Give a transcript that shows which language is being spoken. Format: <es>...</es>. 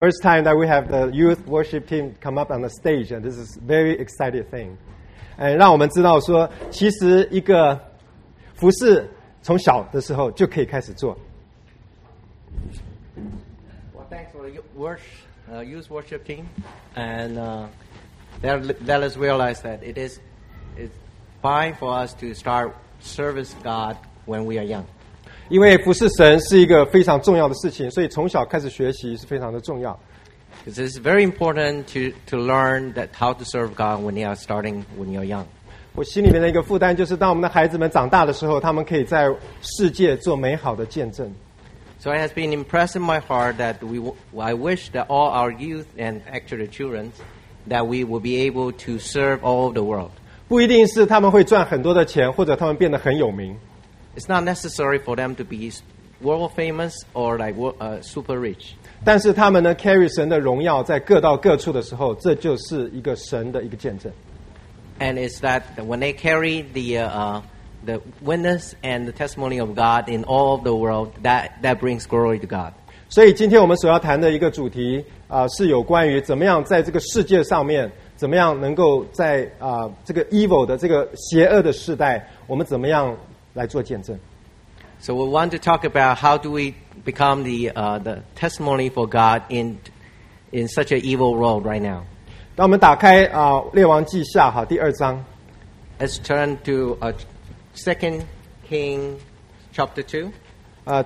<en>First time that we have the youth worship team come up on the stage, and this is a very exciting thing.</en> <zh>And 让我们知道说，其实一个服事从小的时候就可以开始做。</zh> <en>Well, thanks for the youth worship team, and let us realize that it's fine for us to start service God when we are young.</en> <zh>因为服事神是一个非常重要的事情，所以从小开始学习是非常的重要。</zh> <en>It's very important to learn that how to serve God when you are starting when you are young.</en> <zh>我心里面的一个负担就是，当我们的孩子们长大的时候，他们可以在世界做美好的见证。</zh> <en>So it has been impressed in my heart that I wish that all our youth and actually children that we will be able to serve all over the world.</en> <zh>不一定是他们会赚很多的钱，或者他们变得很有名。</zh> <en>It's not necessary for them to be world famous or like super rich.</en> <zh>但是他们呢 carry 神的荣耀在各到各处的时候，这就是一个神的一个见证。</zh> <en>And it's that when they carry the witness and the testimony of God in all of the world, that brings glory to God.</en> <zh>所以今天我们所要谈的一个主题是有关于怎么样在这个世界上面，怎么样能够在这个 evil 的这个邪恶的时代，我们怎么样。来做见证。</zh> <en>So we want to talk about how do we become the testimony for God in such an evil world right now.</en> <zh>当我们打开列王记下哈第二章。</zh> <en>Let's turn to Second King chapter 2.</en>